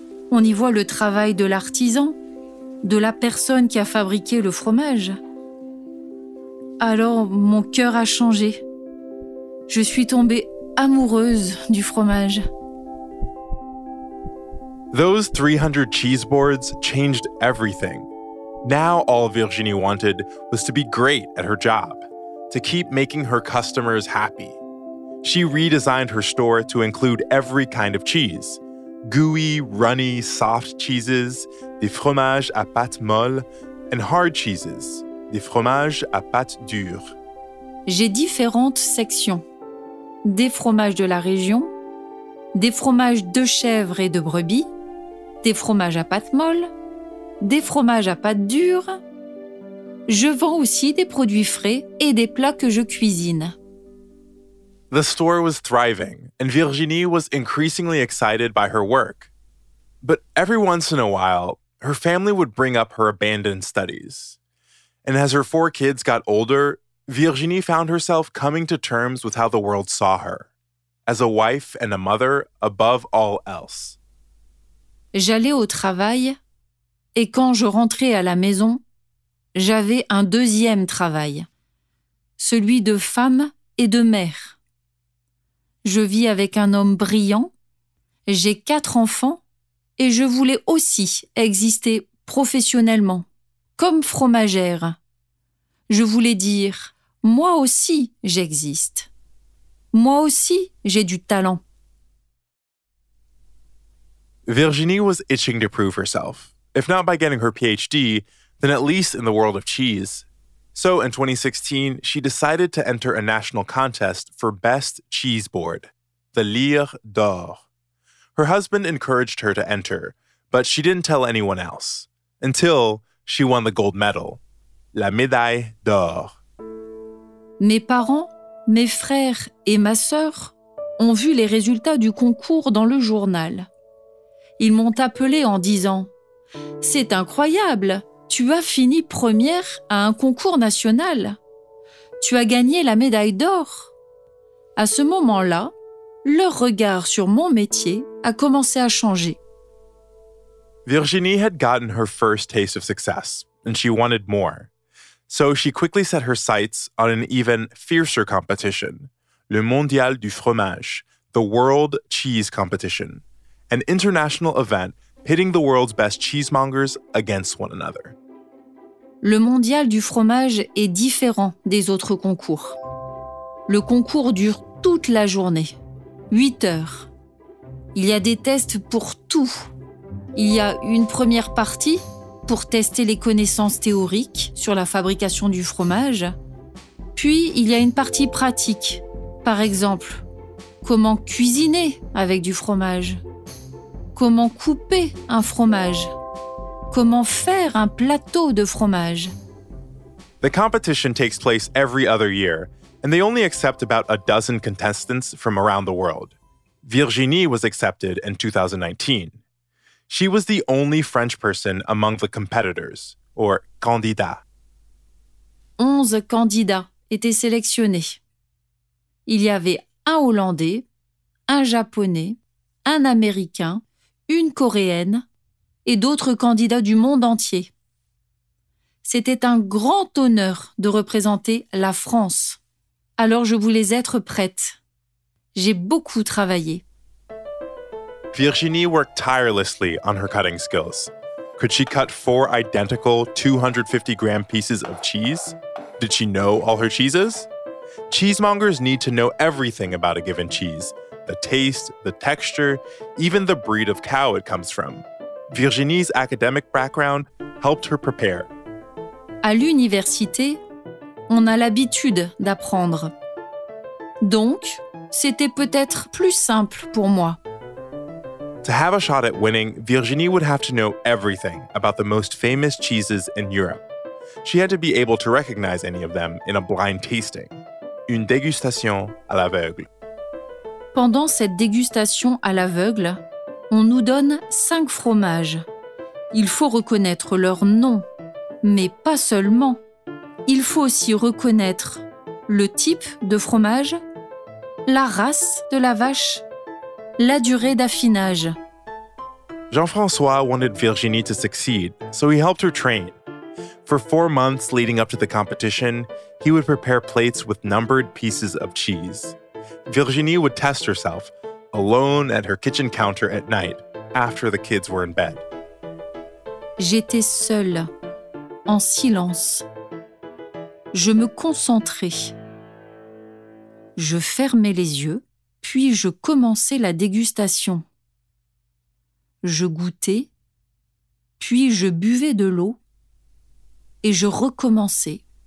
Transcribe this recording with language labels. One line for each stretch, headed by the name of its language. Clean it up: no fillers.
French: On y voit le travail de l'artisan, de la personne qui a fabriqué le fromage. Alors, mon cœur a changé. Je suis tombée amoureuse du fromage.
English: Those 300 cheese boards changed everything. Now, all Virginie wanted was to be great at her job, to keep making her customers happy. She redesigned her store to include every kind of cheese. Gooey, runny, soft cheeses,
French: des fromages à pâte molle,
English: and hard cheeses,
French: des fromages à pâte dure. J'ai différentes sections. Des fromages de la région, des fromages de chèvre et de brebis, des fromages à pâte molle, des fromages à pâte dure. Je vends aussi des produits frais et des plats que je cuisine.
English: The store was thriving, and Virginie was increasingly excited by her work. But every once in a while, her family would bring up her abandoned studies. And as her 4 kids got older, Virginie found herself coming to terms with how the world saw her, as a wife and a mother above all else.
French: J'allais au travail, et quand je rentrais à la maison, j'avais un deuxième travail, celui de femme et de mère. Je vis avec un homme brillant, j'ai 4 enfants et je voulais aussi exister professionnellement, comme fromagère. Je voulais dire, moi aussi, j'existe. Moi aussi, j'ai du talent.
English: Virginie was itching to prove herself, if not by getting her PhD, then at least in the world of cheese. So in 2016, she decided to enter a national contest for best cheese board, the Lire d'Or. Her husband encouraged her to enter, but she didn't tell anyone else, until she won the gold medal,
French: la médaille d'or. Mes parents, mes frères et ma sœur ont vu les résultats du concours dans le journal. Ils m'ont appelé en disant « C'est incroyable, tu as fini première à un concours national. Tu as gagné la médaille d'or. » À ce moment-là, leur regard sur mon métier a commencé à changer.
English: Virginie had gotten her first taste of success, and she wanted more. So she quickly set her sights on an even fiercer competition, le Mondial du Fromage, the World Cheese Competition, an international event pitting the world's best cheesemongers against one another.
French: Le Mondial du Fromage est différent des autres concours. Le concours dure toute la journée, 8 heures. Il y a des tests pour tout. Il y a une première partie pour tester les connaissances théoriques sur la fabrication du fromage. Puis, il y a une partie pratique. Par exemple, comment cuisiner avec du fromage? Comment couper un fromage? Comment faire un plateau de fromage?
English: The competition takes place every other year, and they only accept about a dozen contestants from around the world. Virginie was accepted in 2019. She was the only French person among the competitors, or candidats.
French: 11 candidats étaient sélectionnés. Il y avait un Hollandais, un Japonais, un Américain, une Coréenne et d'autres candidats du monde entier. C'était un grand honneur de représenter la France. Alors je voulais être prête. J'ai beaucoup travaillé.
English: Virginie worked tirelessly on her cutting skills. Could she cut 4 identical 250-gram pieces of cheese? Did she know all her cheeses? Cheesemongers need to know everything about a given cheese, the taste, the texture, even the breed of cow it comes from. Virginie's academic background helped her prepare.
French: À l'université, on a l'habitude d'apprendre. Donc, c'était peut-être plus simple pour moi.
English: To have a shot at winning, Virginie would have to know everything about the most famous cheeses in Europe. She had to be able to recognize any of them in a blind tasting.
French: Une dégustation à l'aveugle. Pendant cette dégustation à l'aveugle, on nous donne 5 fromages. Il faut reconnaître leur nom, mais pas seulement. Il faut aussi reconnaître le type de fromage, la race de la vache, la durée d'affinage.
English: Jean-François wanted Virginie to succeed, so he helped her train. For 4 months leading up to the competition, he would prepare plates with numbered pieces of cheese. Virginie would test herself, alone at her kitchen counter at night, after the kids were in bed. J'étais seule, en silence. Je me concentrais. Je fermais les yeux. Puis je commençais la dégustation. Je goûtais, puis je buvais de l'eau, et je recommençais.